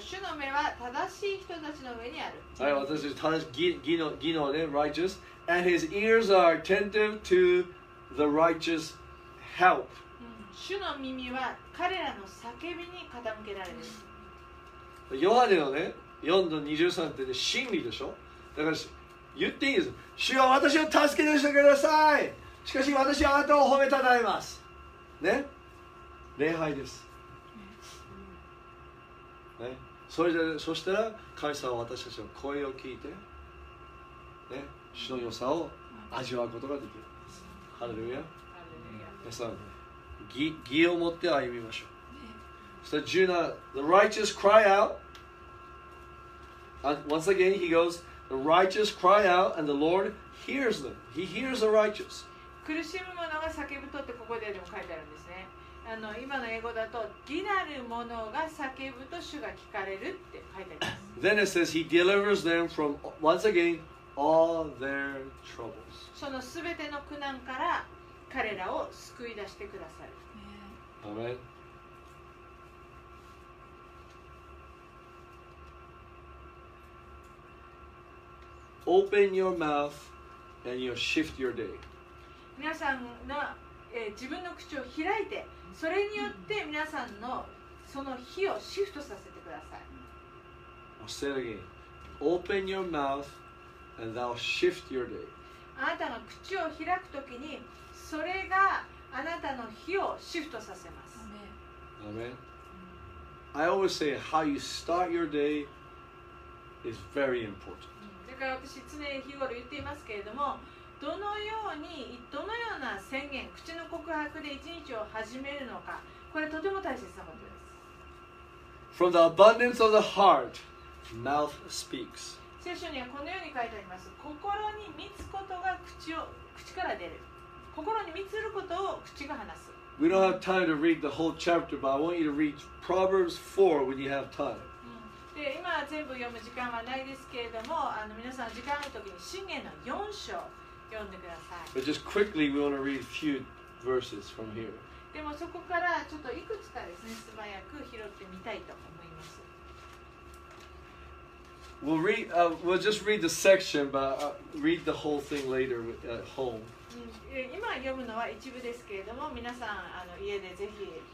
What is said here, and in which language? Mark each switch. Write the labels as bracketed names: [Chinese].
[Japanese] 主の目は正しい人たちの上にある。はい、私たち正しい義のね、 righteous. [English] And his ears are attentive to the righteous help. [Japanese] 主の耳は彼らの叫びに傾けられる。ヨハネのね、4の23って、ね、真理でしょ。だから言っていいです。主は私を助けてしてください。しかし私はあなたを褒めたたえます。ね、礼拝です。ね、それで、そしたら神様は私たちの声を聞いて、ね、主の良さを味わうことができる。ハレルヤ。皆さん、義を持って歩みましょう。そして17、 [English] The righteous cry out. And once again he goes, The righteous cry out and the Lord hears them. He hears the righteous. [Japanese] 苦しむ者が叫ぶとってここでも書いてあるんですね。あの今の英語だと、義なる者が叫ぶと主が聞かれるって書いてあります。 [English] Then it says he delivers them from, once againAll their troubles. [Japanese] そのすべての苦難から彼らを救い出してくださる。アメン。 [English] Open your mouth and you'll shift your day. [Japanese] 皆さんが、自分の口を開いて、それによって皆さんのその日をシフトさせてください。 [English] I'll say it again. Open your mouth. And thou shift your day. [Japanese] あなたの口を開くときに、それがあなたの日をシフトさせます。アメン。 [English] I always say how you start your day is very important. [Japanese] だから私常日頃言っていますけれども、どのようにどのような宣言、口の告白で一日を始めるのか、これとても大切なことです。 [English] From the abundance of the heart, mouth speaks. [Japanese] 聖書にはこのように書いてあります。心に満つことが 口から出る。心に満つることを口が話す。 [English] We don't have time to read the whole chapter, but I want you to read Proverbs 4 when you have time. [Japanese] で今は全部読む時間はないですけれども、あの皆さん時間あるときに箴言の4章読んでください。 [English] But just quickly, we want to read a few verses from here. [Japanese] でもそこからちょっといくつかですね、素早く拾ってみたいと思います。 [English] We'll just read the section, but read the whole thing later at home. [Japanese] 今読むのは一部ですけれども、皆さんあの家でぜひ